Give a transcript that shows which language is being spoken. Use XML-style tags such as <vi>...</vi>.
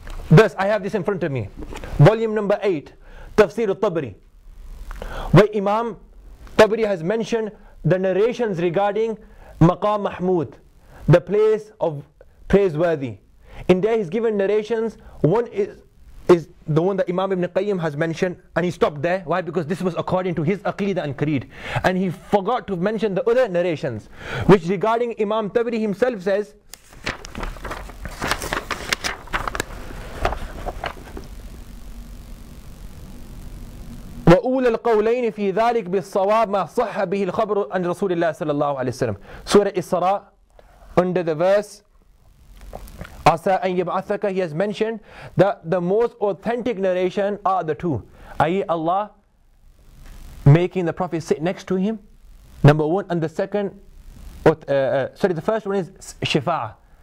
<en>Thus, I have this in front of me. Volume number 8, Tafsir al-Tabari, where Imam Tabari has mentioned the narrations regarding Maqam Mahmud, the place of praiseworthy. In there he's given narrations. One is the one that Imam Ibn Qayyim has mentioned, and he stopped there. Why? Because this was according to his aqeedah and creed. And he forgot to mention the other narrations, which regarding Imam Tabari himself says,</en> <ar>وَأُولَ الْقَوْلَيْنِ فِي ذَلِكْ بِالصَّوَابِ مَا صَحَّ بِهِ الْخَبْرُ عَنْ رَسُولِ اللَّهِ صَلَى اللَّهُ عَلَيْهِ وَسَلَّمَ.</ar> <en>Surah Isra, under the verse Asa an yab'athaka, he has mentioned that the most authentic narration are the two, i.e. Allah making the Prophet sit next to him, number one, and the second, the first one is shifa'ah.</en>